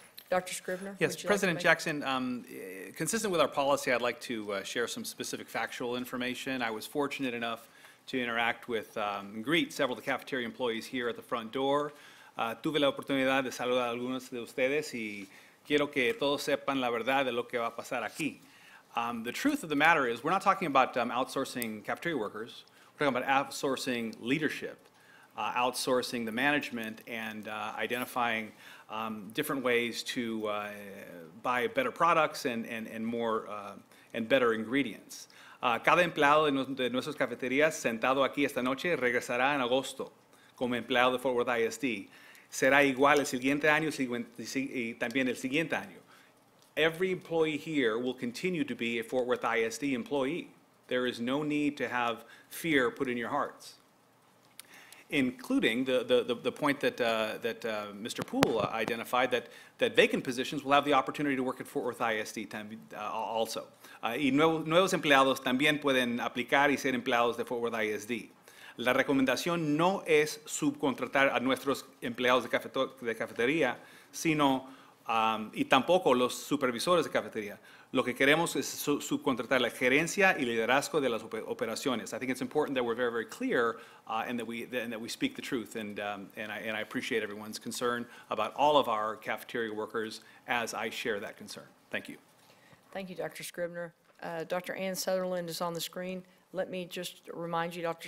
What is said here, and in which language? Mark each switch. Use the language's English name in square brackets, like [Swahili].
[English] Dr. Scribner? Yes, President Jackson, consistent with our policy, I'd like to share some specific factual information. I was fortunate enough to interact with and greet several of the cafeteria employees here at the front door. [Spanish] Tuve la oportunidad de saludar a algunos de ustedes y quiero que todos sepan la verdad de lo que va a pasar aquí. [English] The truth of the matter is we're not talking about outsourcing cafeteria workers. We're talking about outsourcing leadership, outsourcing the management, and identifying different ways to buy better products and better ingredients. [Spanish] Cada empleado de nuestras cafeterías sentado aquí esta noche regresará en agosto como empleado de Fort Worth ISD. Será igual el siguiente año y también el siguiente año. [English] Every employee here will continue to be a Fort Worth ISD employee. There is no need to have fear put in your hearts. Including the point that Mr. Poole identified, that vacant positions will have the opportunity to work at Fort Worth ISD also. [Spanish] Y nuevos empleados también pueden aplicar y ser empleados de Fort Worth ISD. La recomendación no es subcontratar a nuestros empleados de cafetería, sino y tampoco los supervisores de cafetería. Lo que queremos es subcontratar la gerencia y liderazgo de las operaciones. [English] I think it's important that we're very, very clear and that we speak the truth. And I appreciate everyone's concern about all of our cafeteria workers as I share that concern. Thank you. Thank you, Dr. Scribner. Dr. Ann Sutherland is on the screen. Let me just remind you, Dr.